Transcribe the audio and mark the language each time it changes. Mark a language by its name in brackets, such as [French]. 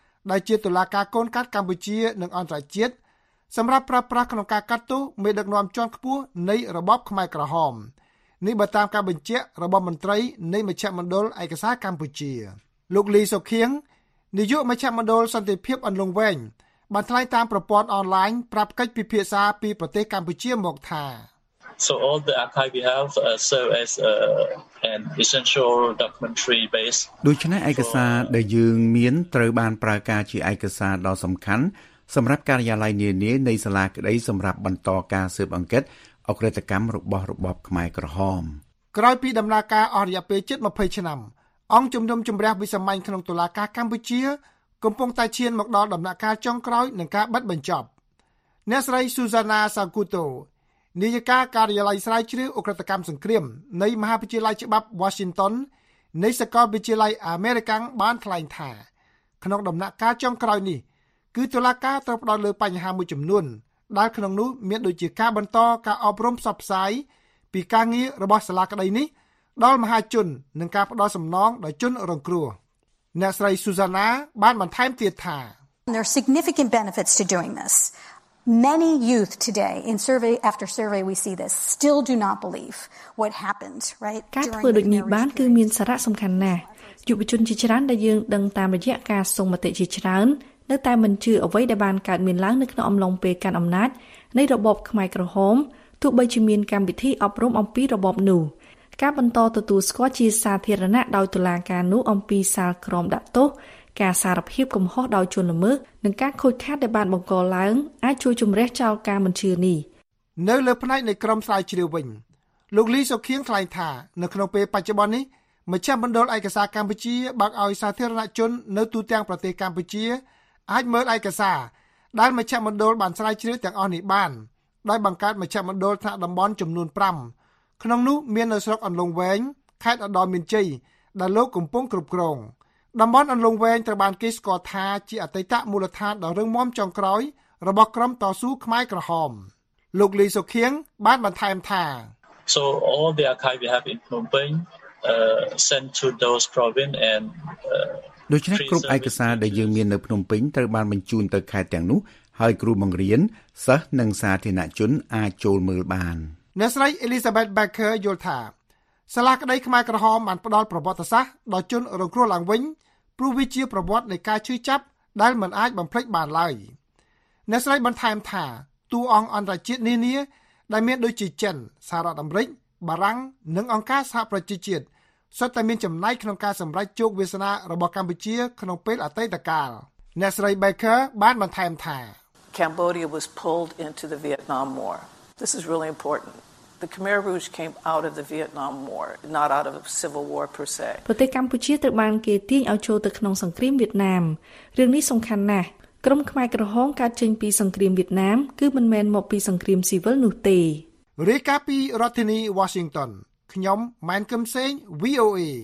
[Khmer] ដែលជាតុលាការកូនកាត់កម្ពុជានិងអន្តរជាតិសម្រាប់ប្រើប្រាស់ក្នុងការកាត់ទោសមេដឹកនាំជាន់ខ្ពស់នៃរបបខ្មែរក្រហមនេះបើតាមការបញ្ជាក់របស់មន្ត្រីនៃមជ្ឈមណ្ឌលឯកសារកម្ពុជាលោកលីសុខៀងនាយកមជ្ឈមណ្ឌលសន្តិភាពអន្លង់វែងបានថ្លែងតាមប្រព័ន្ធអនឡាញប្រាប់កិច្ចពិភាក្សាពីប្រទេសកម្ពុជាមកថា [English] So all the archive we have serve as an essential documentary base. [Khmer] ដូច្នេះឯកសារដែលយើងមានត្រូវបានប្រើការជាឯកសារដ៏សំខាន់សម្រាប់ការិយាល័យនានានៃសាលាក្តីសម្រាប់បន្តការស៊ើបអង្កេតអក្រិតកម្មរបស់របបខ្មែរក្រហម ក្រោយពីដំណើរការអស់រយៈពេលជិត20ឆ្នាំអង្គជំនុំជម្រះវិសាមញ្ញក្នុងតុលាការកម្ពុជាកំពុងតែឈានមកដល់ដំណាក់កាលចុងក្រោយនៃការបិទបញ្ចប់ អ្នកស្រី Susanna Sakuto នាយិកាការិយាល័យស្រាវជ្រាវអុក្រិតកម្មសង្គ្រាមនៃមហាវិទ្យាល័យច្បាប់ Washington នៃសាកលវិទ្យាល័យ American បានថ្លែងថាក្នុងដំណាក់កាលចុងក្រោយនេះគឺតុលាការត្រូវផ្តោតលើបញ្ហាមួយចំនួនដែលក្នុងនោះមានដូចជាការបន្តការអប់រំផ្សព្វផ្សាយពីការងាររបស់សាលាក្តីនេះដល់មហាជននឹងការផ្ដល់សំណងដល់ជនរងគ្រោះអ្នកស្រី Susanna បានបន្ថែមទៀតថា [English] There are significant benefits to doing this. Many youth today in survey after survey we see this still do not believe what happened, right? [Khmer] ការធ្វើដូចនេះបានគឺមានសារៈសំខាន់ណាស់យុវជនជាច្រើនដែលយើងដឹងតាមរយៈការសុំមតិជាច្រើននៅតែមិនជឿអ្វីដែលបានកើតមានឡើងនៅក្នុងអំឡុងពេលកាន់អំណាចនៃរបបខ្មែរក្រហមទោះបីជាមានកម្មវិធីអប់រំអំពីរបបនោះការបន្តទទួលស្គាល់ជាសាធារណៈដោយតុលាការនោះអំពីសាលក្រមដាក់ទោសការសារភាពកំហុសដោយជនល្មើសនិងការខូចខាតដែលបានបង្កឡើងអាចជួយជំរះចោលការមិនជឿនេះ នៅលើផ្នែកនៃក្រមស្រាវជ្រាវវិញលោកលីសុខៀងថ្លែងថានៅក្នុងពេលបច្ចុប្បន្ននេះមជ្ឈមណ្ឌលឯកសារកម្ពុជាបើកឲ្យសាធារណជននៅទូទាំងប្រទេសកម្ពុជា អាចមើលឯកសារដែលមជ្ឈមណ្ឌលបានស្រាវជ្រាវទាំងអស់នេះបានដោយបង្កើតមជ្ឈមណ្ឌលថ្នាក់តំបន់ចំនួន5ក្នុងនោះមាននៅស្រុកអន្លង់វែងខេត្តឧត្តរមានជ័យដែលលោកកំពុងគ្រប់គ្រងតំបន់អន្លង់វែងត្រូវបានគេស្គាល់ថាជាអតីតមូលដ្ឋានដ៏រឹងមាំចុងក្រោយរបស់ក្រុមតស៊ូខ្មែរក្រហមលោកលីសុខៀងបានបន្ថែមថា [English] So all the archive we have in Phnom Penh sent to those province and [Khmer] ដូច្នេះគ្រប់ឯកសារដែលយើងមាននៅភ្នំពេញត្រូវបានបញ្ជូនទៅខេត្តទាំងនោះហើយគ្រូបង្រៀនសិស្សនិងសាធារណជនអាចចូលមើលបាន អ្នកស្រី Elizabeth Becker យល់ថាសាលាក្តីខ្មែរក្រហមបានផ្ដល់ប្រវត្តិសាស្ត្រដល់ជនរងគ្រោះឡើងវិញព្រោះវាជាប្រវត្តិនៃការឈឺចាប់ដែលមិនអាចបំភ្លេចបានឡើយអ្នកស្រីបន្ថែមថាតួអង្គអន្តរជាតិនានាដែលមានដូចជាចិនសហរដ្ឋអាមេរិកបារាំងនិងអង្គការសហប្រជាជាតិសុទ្ធតែមានចំណែកក្នុងការសម្រេចជោគវាសនារបស់កម្ពុជាក្នុងពេលអតីតកាលអ្នកស្រី Becker បានបន្ថែមថា [English] Cambodia was pulled into the Vietnam War. This is really important. The Khmer Rouge came out of the Vietnam War, not out of a civil war per se. [Khmer] ប្រទេសកម្ពុជាត្រូវបានគេទាញឲ្យចូលទៅក្នុងសង្គ្រាមវៀតណាមរឿងនេះសំខាន់ណាស់ក្រុមខ្មែរក្រហមកើតចេញពីសង្គ្រាមវៀតណាមគឺមិនមែនមកពីសង្គ្រាមស៊ីវិលនោះទេ រាយការណ៍ពីរដ្ឋធានី Washington ខ្ញុំម៉ែនកឹមសេង VOA